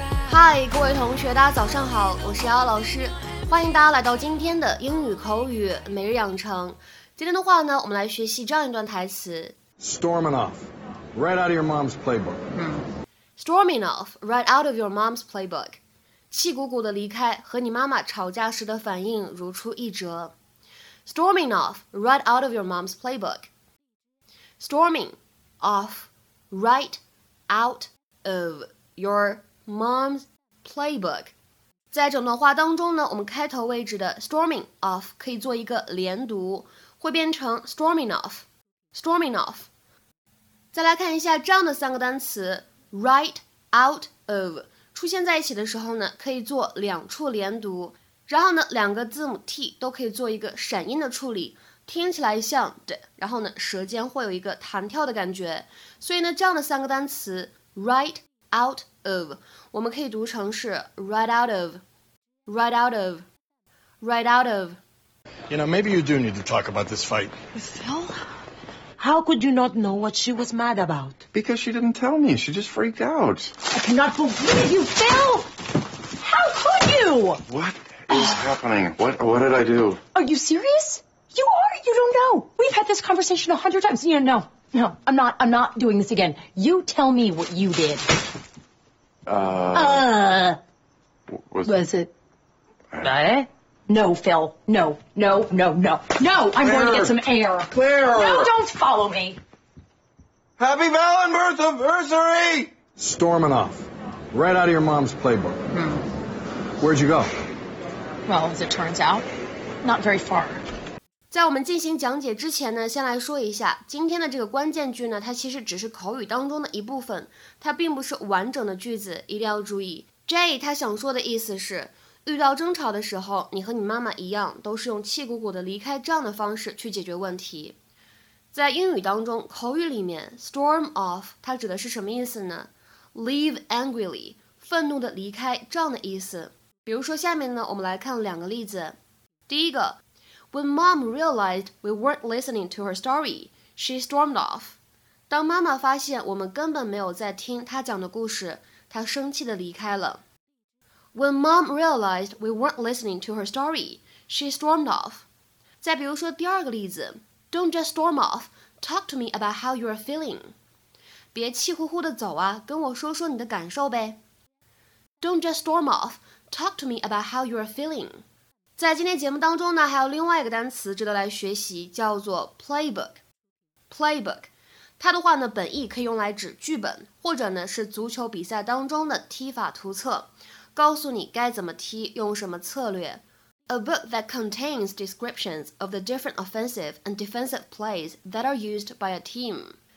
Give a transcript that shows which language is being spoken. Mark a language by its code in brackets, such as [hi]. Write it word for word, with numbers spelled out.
[zh] 嗨，各位同学，大家早上好，我是姚老师，欢迎大家来到今天的英语口语每日养成。今天的话呢，我们来学习这样一段台词 [en] ：Storming off, right out of your mom's playbook.、嗯、Storming off, right out of your mom's playbook. [zh] 气鼓鼓的离开，和你妈妈吵架时的反应如出一辙。 [en] Storming off, right out of your mom's playbook. Storming off, right out of your Mom's Playbook [zh] 在整段话当中呢，我们开头位置的 [en] Storming off [zh] 可以做一个连读，会变成 [en] Storming off Storming off [zh] 再来看一下这样的三个单词 [en] Right out of [zh] 出现在一起的时候呢，可以做两处连读，然后呢两个字母 T 都可以做一个闪音的处理，听起来像的，然后呢舌尖会有一个弹跳的感觉，所以呢这样的三个单词 Right out of 我们可以读成是 [en] right out of, right out of, right out of. You know, maybe you do need to talk about this fight. Phil, how could you not know what she was mad about? Because she didn't tell me. She just freaked out. I cannot believe you, Phil! How could you? What is happening? What, what did I do? Are you serious? You are? You don't know. We've had this conversation a hundred times. You know, no, no, I'm not, I'm not doing this again. You tell me what you did. Uh, uh, was, was it? Uh, no, Phil. No, no, no, no. No, I'm Claire, going to get some air. Claire! No, don't follow me. Happy Valentine's anniversary! Storming off. Right out of your mom's playbook. Hmm. Where'd you go? Well, as it turns out, not very far. [zh] 在我们进行讲解之前呢，先来说一下今天的这个关键句呢，它其实只是口语当中的一部分，它并不是完整的句子，一定要注意。 J 他想说的意思是，遇到争吵的时候，你和你妈妈一样，都是用气鼓鼓的离开这样的方式去解决问题。在英语当中，口语里面 storm off 它指的是什么意思呢？ [en] Leave angrily [zh] 愤怒的离开这样的意思。比如说下面呢，我们来看两个例子。第一个， [en] When Mom realized we weren't listening to her story, she stormed off. [zh] 当妈妈发现我们根本没有在听她讲的故事，她生气地离开了。 [en] When Mom realized we weren't listening to her story, she stormed off. [zh] 再比如说第二个例子 ， [en] Don't just storm off. Talk to me about how you are feeling. [zh] 别气呼呼地走啊，跟我说说你的感受呗。 [en] Don't just storm off. Talk to me about how you are feeling. [zh] 在今天节目当中呢，还有另外一个单词值得来学习，叫做 playbook。 playbook 它的话呢，本意可以用来指剧本，或者呢是足球比赛当中的踢法图册，告诉你该怎么踢，用什么策略。 [en] A book that contains descriptions of the different offensive and defensive plays that are used by a team。